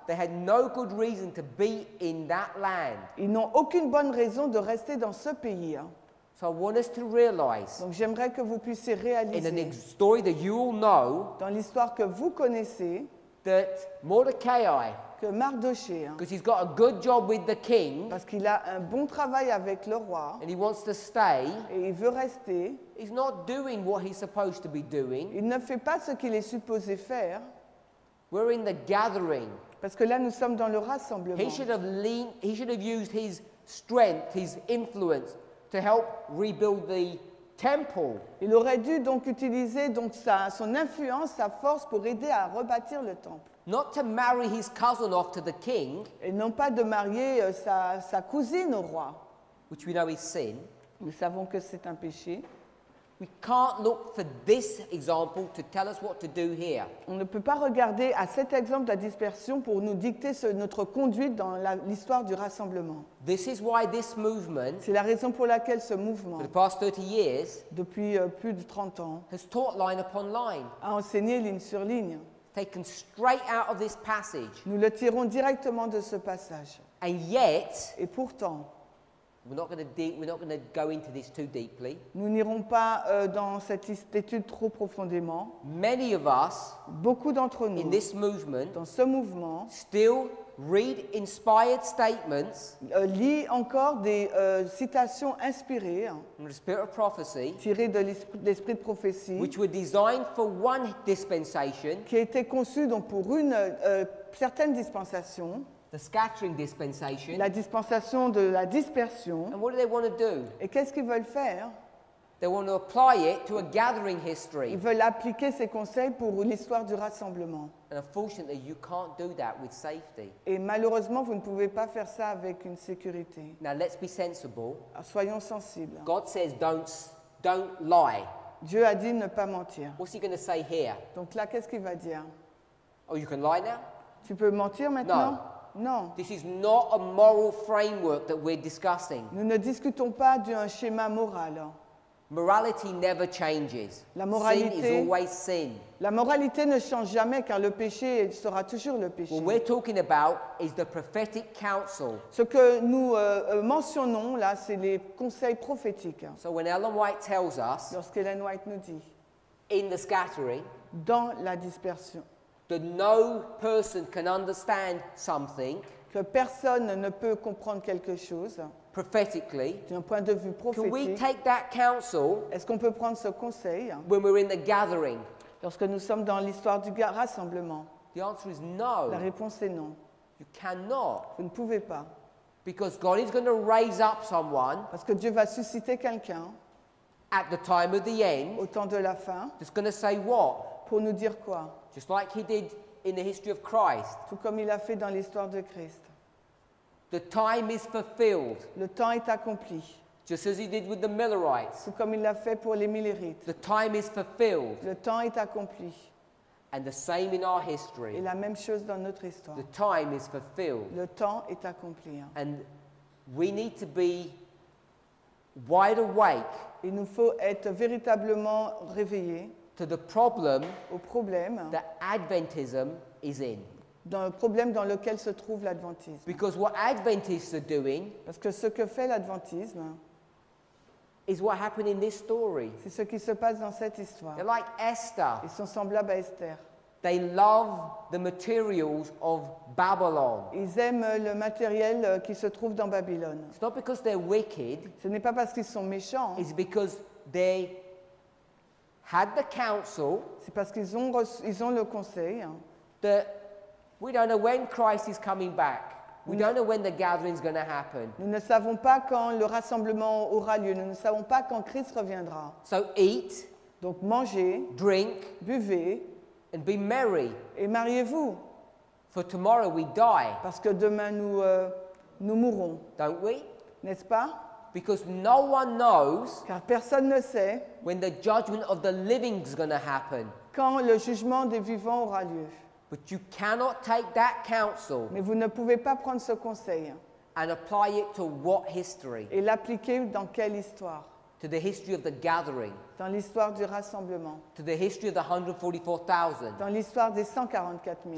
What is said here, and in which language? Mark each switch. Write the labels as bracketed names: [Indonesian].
[English] they had no good reason to be in that land. [French] Ils n'ont aucune bonne raison de rester dans ce pays. [English] So I want us to realize. [French] Donc j'aimerais que vous puissiez réaliser. [English] In an story that you all know, [French] dans l'histoire que vous connaissez, [English] that Mordecai. [French] Que Mardoché, hein, [English] because he's got a good job with the king, [French] parce qu'il a un bon travail avec le roi, [English] and he wants to stay, [French] et il veut rester, [English] he's not doing what he's supposed to be doing. [French] Il ne fait pas ce qu'il est supposé faire. [English] We're in the gathering. [French] Parce que là, nous sommes dans le rassemblement. [English] He should have used his strength, his influence, to help rebuild the temple. [French] Il aurait dû donc utiliser donc son influence, sa force pour aider à rebâtir le temple. [English] Not to marry his cousin off to the king. [French] Et non pas de marier sa cousine au roi. [English] Which we know is sin. [French] Nous savons que c'est un péché. [English] We can't look for this example to tell us what to do here. [French] On ne peut pas regarder à cet exemple de la dispersion pour nous dicter notre conduite dans l'histoire du rassemblement. [English] This is why this movement. [French] C'est la raison pour laquelle ce mouvement. [English] For the past 30 years. [French] Depuis plus de 30 ans. [English] Has taught line upon line. [French] A enseigné ligne sur ligne. [English] Taken straight out of this passage. [French] Nous le tirons directement de ce passage. [English] And yet, [French] et pourtant, [English] we're not going to go into this too deeply. [French] Nous n'irons pas dans cette étude trop profondément. [English] Many of us, [French] beaucoup d'entre nous, [English] in this movement, [French] dans ce mouvement, [English] still read inspired statements, [French] lit encore des citations inspirées, [English] from the spirit of prophecy, [French] tirées de l'esprit de prophétie, [English] which were designed for one dispensation, [French] qui étaient conçues donc pour une certaine dispensation, [English] the scattering dispensation, [French] la dispensation de la dispersion. [English] And what do they want to do? [French] Et qu'est-ce qu'ils veulent faire? [English] They want to apply it to a gathering history. [French] Ils veulent appliquer ces conseils pour l'histoire du rassemblement. [English] And unfortunately, you can't do that with safety. [French] Et malheureusement, vous ne pouvez pas faire ça avec une sécurité. [English] Now let's be sensible. [French] Soyons sensibles. [English] God says, don't lie. [French] Dieu a dit ne pas mentir. [English] What's he going to say here? [French] Donc là, qu'est-ce qu'il va dire? [English] Oh, you can lie now? [French] Tu peux mentir maintenant? [English] No. [French] Non. [English] This is not a moral framework that we're discussing. [French] Nous ne discutons pas d'un schéma moral. [English] Morality never changes. [French] La moralité, [English] sin is always sin. [French] La moralité ne change jamais car le péché sera toujours le péché. [English] What we're talking about is the prophetic counsel. [French] Ce que nous mentionnons là, c'est les conseils prophétiques. [English] So when Ellen White tells us, [French] lorsqu'Ellen White nous dit, [English] in the scattering, [French] dans la dispersion, [English] that no person can understand something, [French] que personne ne peut comprendre quelque chose. [English] Prophetically, [French] d'un point de vue prophétique, [English] can we take that counsel? [French] Est-ce qu'on peut prendre ce conseil? [English] When we're in the gathering, [French] lorsque nous sommes dans l'histoire du rassemblement, [English] the answer is no. [French] La réponse est non. [English] You cannot. [French] Vous ne pouvez pas. [English] Because God is going to raise up someone. [French] Parce que Dieu va susciter quelqu'un. [English] At the time of the end. [French] Au temps de la fin. [English] That's going to say what? [French] Pour nous dire quoi? [English] Just like he did in the history of Christ. [French] Tout comme il a fait dans l'histoire de Christ. [English] The time is fulfilled. [French] Le temps est accompli. [English] Just as he did with the Millerites. [French] Tout comme il l'a fait pour les Millerites. [English] The time is fulfilled. [French] Le temps est accompli. [English] And the same in our history. [French] Et la même chose dans notre histoire. [English] The time is fulfilled. [French] Le temps est accompli. [English] And we need to be wide awake. [French] Il nous faut être véritablement réveillés. [English] To the problem. [French] Au problème. [English] That Adventism is in. [French] Dans le problème dans lequel se trouve l'adventisme. [English] Because what Adventists are doing. [French] Parce que ce que fait l'adventisme. [English] Is what happened in this story. [French] C'est ce qui se passe dans cette histoire. [English] They're like Esther. [French] Ils sont semblables à Esther. [English] They love the materials of Babylon. [French] Ils aiment le matériel qui se trouve dans Babylone. [English] It's not because they're wicked. [French] Ce n'est pas parce qu'ils sont méchants. [English] It's because they had the counsel. [French] C'est parce qu'ils ont ils ont le conseil. [English] That we don't know when Christ is coming back. We don't know when the gathering is going to happen. [French] Nous ne savons pas quand le rassemblement aura lieu. Nous ne savons pas quand Christ reviendra. [English] So eat. [French] Donc mangez. [English] Drink. [French] Buvez. [English] And be merry. [French] Et mariez-vous. [English] For tomorrow we die. [French] Parce que demain nous mourrons. [English] Don't we? [French] N'est-ce pas? [English] Because no one knows. [French] Car personne ne sait. [English] When the judgment of the living is going to happen. [French] Quand le jugement des vivants aura lieu. [English] But you cannot take that counsel. [French] Mais vous ne pouvez pas prendre ce conseil. [English] And apply it to what history? [French] Et l'appliquer dans quelle histoire? [English] To the history of the gathering. [French] Dans l'histoire du rassemblement. [English] To the history of the 144,000. [French] Dans l'histoire des 144,000.